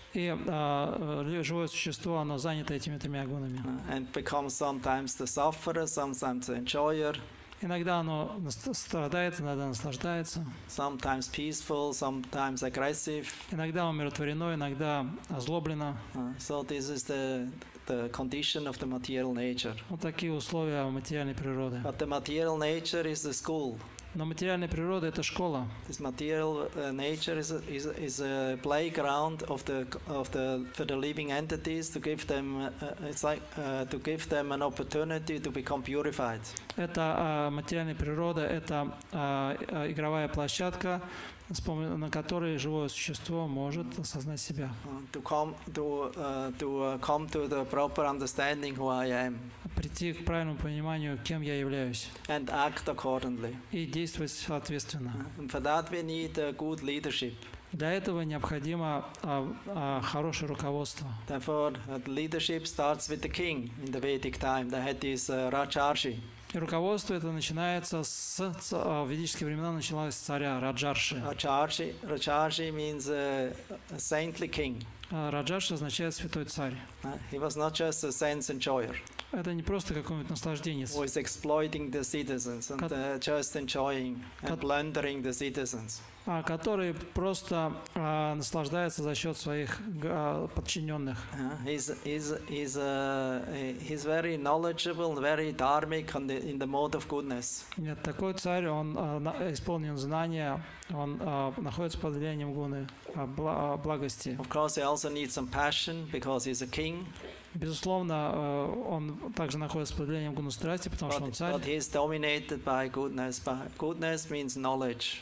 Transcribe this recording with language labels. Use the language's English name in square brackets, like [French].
[Russian] И живое существо, оно занято этими тремя гунами. [English] And becomes sometimes the sufferer, sometimes the enjoyer. [Russian] Иногда оно страдает, иногда наслаждается. [English] Sometimes peaceful, sometimes aggressive. [Russian] Иногда умиротворено, иногда озлоблено. [English] So this is the condition of the material nature. [Russian] Вот такие условия материальной природы. [English] But the material nature is the school. [Russian] Но материальная природа — это школа. [English] This material nature is a playground for the living entities to give them an opportunity to become purified. [Russian] Это материальная природа — это игровая площадка, на которой живое существо может осознать себя. [English] To come to the proper understanding who I am. [Russian] Прийти к правильному пониманию, кем я являюсь. [English] And act accordingly. [Russian] И действовать соответственно. [English] And for that we need good leadership. [Russian] Для этого необходимо хорошее руководство. [English] Therefore, leadership starts with the king in the Vedic time. The head is Rajarshi. [Russian] И руководство это начинается с в ведические времена началось с царя Раджарши. [English] Раджарши, Раджарши means saintly king. [Russian] Раджарши означает святой царь. [English] He was not just a sense enjoyer. [Russian] Это не просто какой-нибудь наслаждение. [English] Was exploiting the citizens and just enjoying and plundering the citizens. [Russian] Который просто наслаждается за счет своих подчиненных. [English] He's very knowledgeable, very dharmic on the, in the mode of goodness. [Russian] Нет, такой царь, он исполнен знания, он находится под влиянием гуны благости. [English] Of course, he also needs some passion because he's a king. [Russian] Безусловно, он также находится под влиянием гуны страсти, потому что он царь. [English] But he is dominated by goodness. But goodness means knowledge.